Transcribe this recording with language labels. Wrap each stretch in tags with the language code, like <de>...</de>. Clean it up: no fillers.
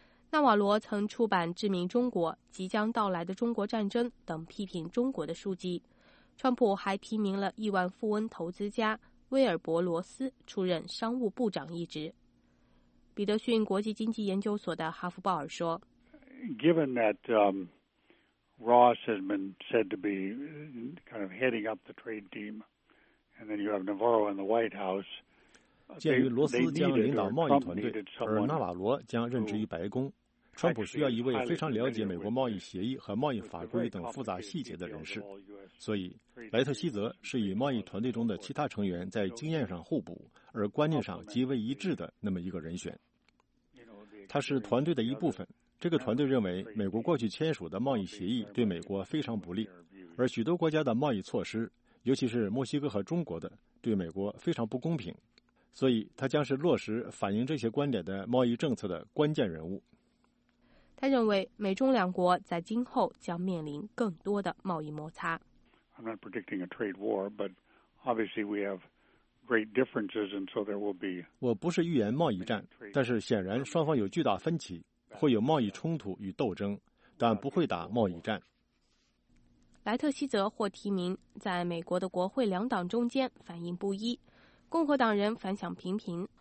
<zh>纳瓦罗曾出版《致命中国》《即将到来的中国战争》等批评中国的书籍。川普还提名了亿万富翁投资家威尔伯·罗斯出任商务部长一职。彼得逊国际经济研究所的哈夫鲍尔说</zh> <en>：“Given that Ross has been said to be kind of heading up the trade team, and then you have Navarro in the White House.”</en> <zh>鉴于罗斯将领导贸易团队，而纳瓦罗将任职于白宫，川普需要一位非常了解美国贸易协议和贸易法规等复杂细节的人士，所以莱特希泽是与贸易团队中的其他成员在经验上互补而观念上极为一致的那么一个人选。他是团队的一部分，这个团队认为美国过去签署的贸易协议对美国非常不利，而许多国家的贸易措施，尤其是墨西哥和中国的，对美国非常不公平，所以他将是落实反映这些观点的贸易政策的关键人物。他认为美中两国在今后将面临更多的贸易摩擦。</zh> <en>I'm not predicting a trade war, but obviously we have great differences, and so there will be.</en> <zh>我不是预言贸易战，但是显然双方有巨大分歧，会有贸易冲突与斗争，但不会打贸易战。莱特希泽获提名，在美国的国会两党中间反应不一，共和党人反响平平。</zh>